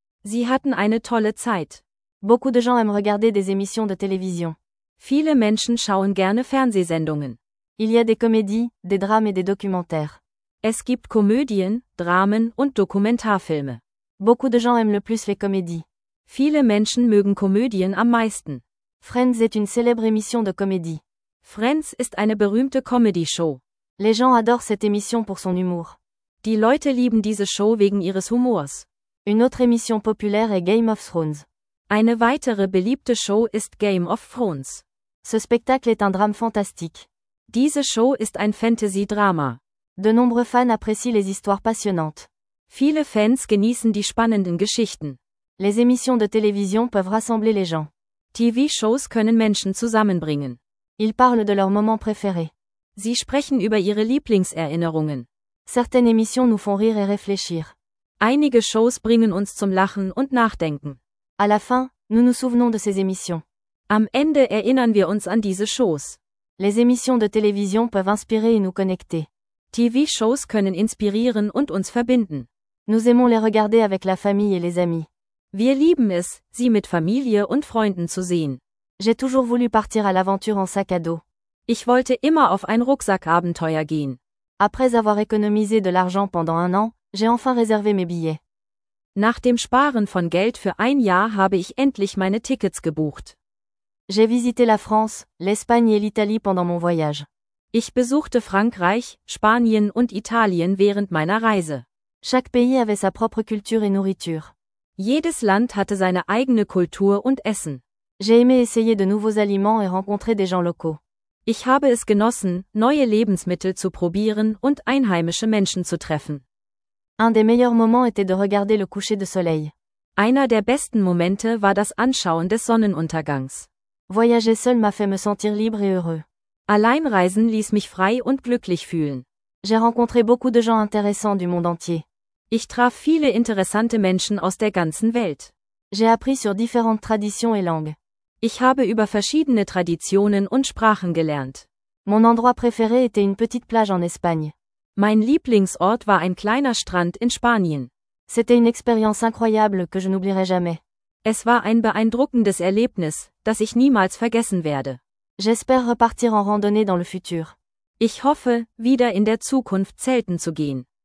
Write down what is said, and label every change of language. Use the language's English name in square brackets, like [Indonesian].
[German] Sie hatten eine tolle Zeit. [French] Beaucoup de gens aiment regarder des émissions de télévision. [German] Viele Menschen schauen gerne Fernsehsendungen. [French] Il y a des comédies, des drames et des documentaires. [German] Es gibt Komödien, Dramen und Dokumentarfilme. [French] Beaucoup de gens aiment le plus les comédies. [German] Viele Menschen mögen Komödien am meisten. [French] Friends est une célèbre émission de comédie. [German] Friends ist eine berühmte Comedy-Show. [French] Les gens adorent cette émission pour son humour. [German] Die Leute lieben diese Show wegen ihres Humors. [French] Une autre émission populaire est Game of Thrones. [German] Eine weitere beliebte Show ist Game of Thrones. [French] Ce spectacle est un drame fantastique. [German] Diese Show ist ein Fantasy-Drama. [French] De nombreux fans apprécient les histoires passionnantes. [German] Viele Fans genießen die spannenden Geschichten. [French] Les émissions de télévision peuvent rassembler les gens. [German] TV-Shows können Menschen zusammenbringen. [French] Ils parlent de leurs moments préférés. [German] Sie sprechen über ihre Lieblingserinnerungen. [French] Certaines émissions nous font rire et réfléchir. [German] Einige Shows bringen uns zum Lachen und Nachdenken. [French] À la fin, nous nous souvenons de ces émissions. [German] Am Ende erinnern wir uns an diese Shows. [French] Les émissions de télévision peuvent inspirer et nous connecter. [German] TV-Shows können inspirieren und uns verbinden. [French] Nous aimons les regarder avec la famille et les amis. [German] Wir lieben es, sie mit Familie und Freunden zu sehen. [French] J'ai toujours voulu partir à l'aventure en sac à dos. [German] Ich wollte immer auf ein Rucksackabenteuer gehen. [French] Après avoir économisé de l'argent pendant un an, j'ai enfin réservé mes billets. [German] Nach dem Sparen von Geld für ein Jahr habe ich endlich meine Tickets gebucht. [French] J'ai visité la France, l'Espagne et l'Italie pendant mon voyage. [German] Ich besuchte Frankreich, Spanien und Italien während meiner Reise. [French] Chaque pays avait sa propre culture et nourriture. [German] Jedes Land hatte seine eigene Kultur und Essen. [French] J'ai aimé essayer de nouveaux aliments et rencontrer des gens locaux. [German] Ich habe es genossen, neue Lebensmittel zu probieren und einheimische Menschen zu treffen. [French] Un des meilleurs moments était de regarder le coucher de soleil. [German] Einer der besten Momente war das Anschauen des Sonnenuntergangs. [French] Voyager seul m'a fait me sentir libre et heureux. [German] Alleinreisen ließ mich frei und glücklich fühlen. [French] J'ai rencontré beaucoup de gens intéressants du monde entier. [German] Ich traf viele interessante Menschen aus der ganzen Welt. [French] J'ai appris sur différentes traditions et langues. [German] Ich habe über verschiedene Traditionen und Sprachen gelernt. [French] Mon endroit préféré était une petite plage en Espagne. [German] Mein Lieblingsort war ein kleiner Strand in Spanien. [French] C'était une expérience incroyable que je n'oublierai jamais. [German] Es war ein beeindruckendes Erlebnis, das ich niemals vergessen werde. [French] J'espère repartir en randonnée dans le futur. [German] Ich hoffe, wieder in der Zukunft zelten zu gehen.